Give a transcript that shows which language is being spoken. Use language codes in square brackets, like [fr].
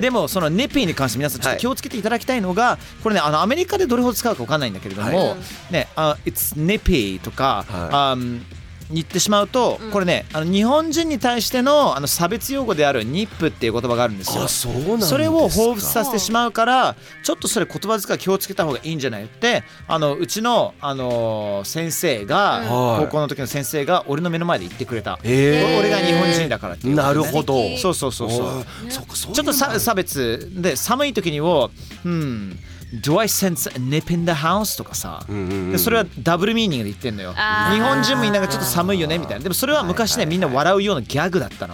[ja] でもそのニピーに関して皆さんちょっと気をつけていただきたいのが、はい、これね、あのアメリカでどれほど使うか分かんないんだけれども、はい、ね、 [en] It's nippy [ja] とか、はい、言ってしまうと、うん、これね、あの日本人に対して の, あの差別用語であるニップっていう言葉があるんですよ。あ、そうなんですか。それを彷彿させてしまうから、ちょっとそれ言葉遣い気をつけた方がいいんじゃないって、あのうち の, あの先生が、うん、高校の時の先生が俺の目の前で言ってくれた、はい、俺が日本人だからっていう、ね、なるほど。そうそうそうそう、 [en] ちょっと差別で、寒い時にも、うん、Do I sense a nip in the house? [ja] とかさ、うんうんうん、でそれはダブルミーニングで言ってんのよ。日本人もみんながちょっと寒いよねみたいな。でもそれは昔ね、はいはいはい、みんな笑うようなギャグだったの、